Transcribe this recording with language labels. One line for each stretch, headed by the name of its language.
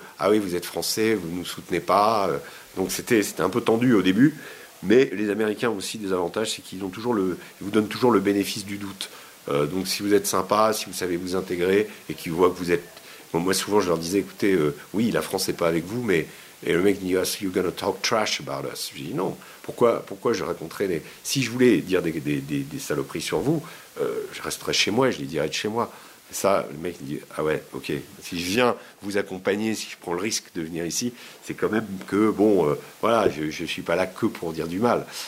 French: Ah oui, vous êtes français, vous ne nous soutenez pas. Donc c'était un peu tendu au début. Mais les Américains ont aussi des avantages, c'est qu'ils ont toujours ils vous donnent toujours le bénéfice du doute. Donc si vous êtes sympa, si vous savez vous intégrer et qu'ils voient que vous êtes. Bon, moi, souvent, je leur disais, écoutez, oui, la France n'est pas avec vous, mais. Et le mec dit,
English: are you going to talk trash about us?
French: Je dis non. Pourquoi je raconterais les. Si je voulais dire des saloperies sur vous, je resterais chez moi et je les dirais de chez moi. Et ça, le mec dit, ah ouais, ok. Si je viens vous accompagner, si je prends le risque de venir ici, c'est quand même que, bon, voilà, je ne suis pas là que pour dire du mal.